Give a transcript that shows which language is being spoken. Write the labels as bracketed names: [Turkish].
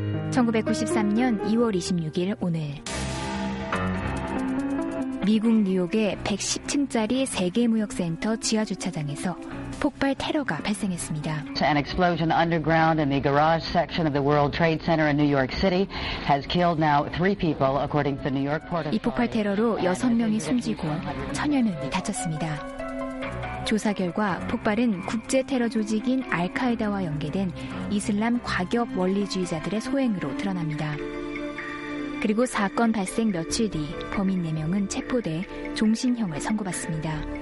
[Korean] 1993년 2월 26일 오늘 미국 뉴욕의 110층짜리 세계무역센터 지하주차장에서 폭발 테러가 발생했습니다. [English] An explosion underground in the garage section of the World Trade Center in New York City has killed now three people, according to the New York Port Authority. [Korean] 이 폭발 테러로 6명이 숨지고 천여 명이 다쳤습니다. 조사 결과 폭발은 국제 테러 조직인 알카에다와 연계된 이슬람 과격 원리주의자들의 소행으로 드러납니다. 그리고 사건 발생 며칠 뒤 범인 4명은 체포돼 종신형을 선고받습니다.